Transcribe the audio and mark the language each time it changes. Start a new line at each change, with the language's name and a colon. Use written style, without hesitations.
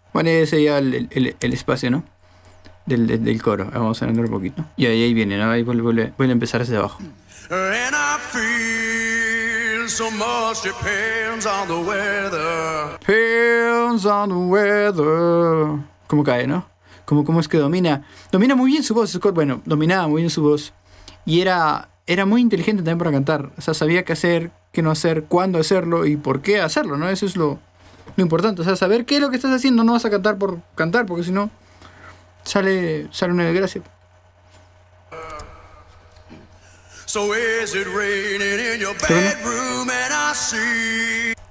Spanish: Bueno, ese ya el espacio, ¿no? Del coro. Vamos a andar un poquito. Y ahí viene, ¿no? Ahí vuelve a empezar desde abajo.
English: And I feel so much depends on the weather. Depends on the weather.
Spanish: cómo cae, ¿no? Cómo es que domina. Domina muy bien su voz, Scott. Bueno, dominaba muy bien su voz. Y era muy inteligente también para cantar. O sea, sabía qué hacer, qué no hacer, cuándo hacerlo y por qué hacerlo, ¿no? Eso es lo importante. O sea, saber qué es lo que estás haciendo. No vas a cantar por cantar, porque si no, sale una desgracia.
English: So is it raining in your bedroom and I see.